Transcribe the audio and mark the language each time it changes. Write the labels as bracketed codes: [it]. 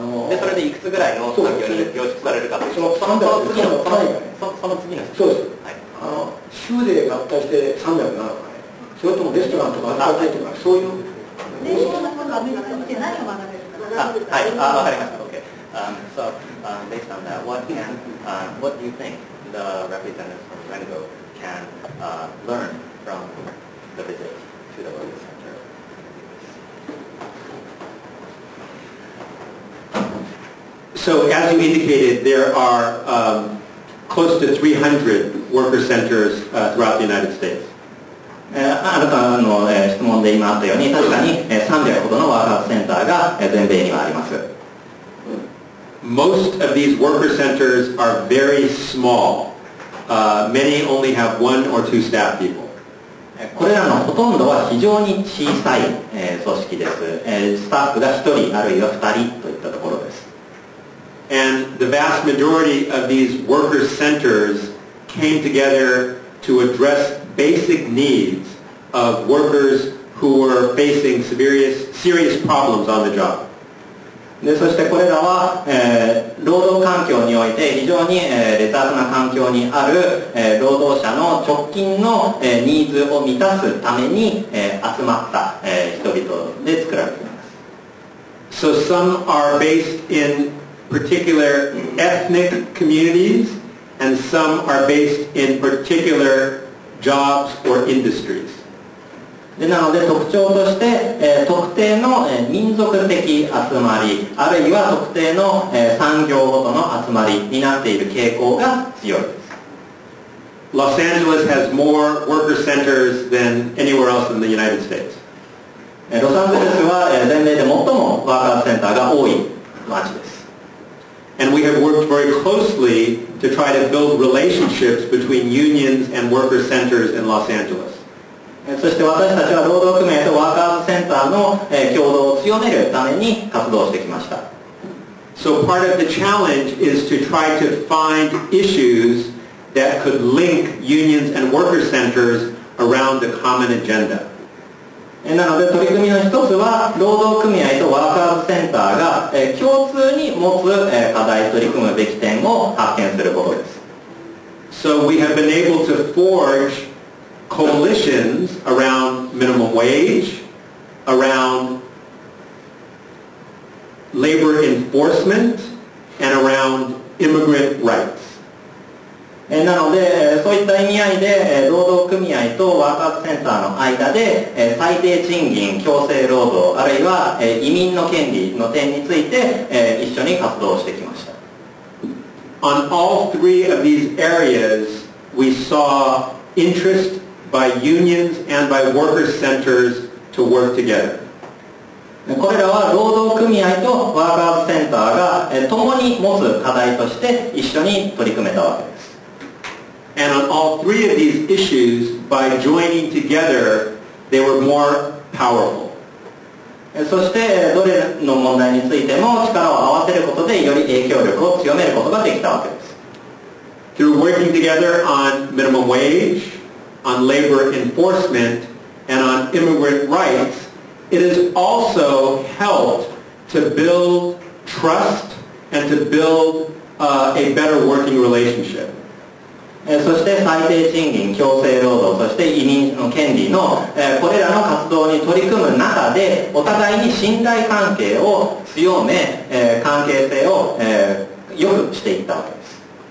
[ja] で、それでいくつぐらいの産業に凝縮されるかという、その次の単位がね、その次の質問。そうです。はい、州で合体して300になるのかね、それともレストランとか合体っていうか、そういう。年齢の方がアメリカに来て何を学べるか。はい、分かりました。 [en] Based on that, what do you think the representatives from Rengo can learn from the visit to the World Center? So, as you indicated, there are close to 300 worker centers throughout the United States. [ja] あなたの質問で今あったように、確かに300ほどのワーカーセンターが全米にはあります。 [en] Most of these worker centers are very small. Many only have one or two staff people. [ja] これらのほとんどは非常に小さい組織です。スタッフが1人あるいは2人といったところです。 [en] And the vast majority of these worker centers came together to address basic needs of workers who were facing serious problems on the job. [ja] でそしてこれらは、労働環境において非常に、劣悪な環境にある、労働者の直近の、ニーズを満たすために、集まった、人々で作られています。 [en] So some are based in particular ethnic communities and some are based in particular jobs or industries. [ja] でなので特徴として、特定の、民族的集まりあるいは特定の、産業ごとの集まりになっている傾向が強いです。 [en] Los Angeles has more worker centers than anywhere else in the United States. [ja] ロサンゼルスは、全米で最もワーカーセンターが多い街です。 [en] And we have worked very closely to try to build relationships between unions and worker centers in Los Angeles. [ja] そして私たちは労働組合とワーカーズセンターの共同を強めるために活動してきました。 [en] So part of the challenge is to try to find issues that could link unions and worker centers around the common agenda. [ja] なので取り組みの一つは労働組合とワーカーズセンターが共通に持つ課題に取り組むべき点を発見することです。 [en] So we have been able to forgecoalitions around minimum wage, around labor enforcement, and around immigrant rights. [ja] なので、そういった意味合いで、労働組合とワーカーセンターの間で、最低賃金、強制労働、あるいは、移民の権利の点について、一緒に活動してきました。 [en] On all three of these areas, we saw interest. By unions and by worker centers to work together. [ja] これらは労働組合とワーカーセンターが共に持つ課題として一緒に取り組めたわけです。 [en] And on all three of these issues, by joining together, they were more powerful. [ja] そしてどれの問題についても力を合わせることでより影響力を強めることができたわけです。 [en] Through working together on minimum wage,on labor enforcement and on immigrant rights, it has also helped to build trust and to build a better working relationship. [ja] そして最低賃金、強制労働、そして移民の権利の、これらの活動に取り組む中で、お互いに信頼関係を強め、関係性を、良くしていったわけです。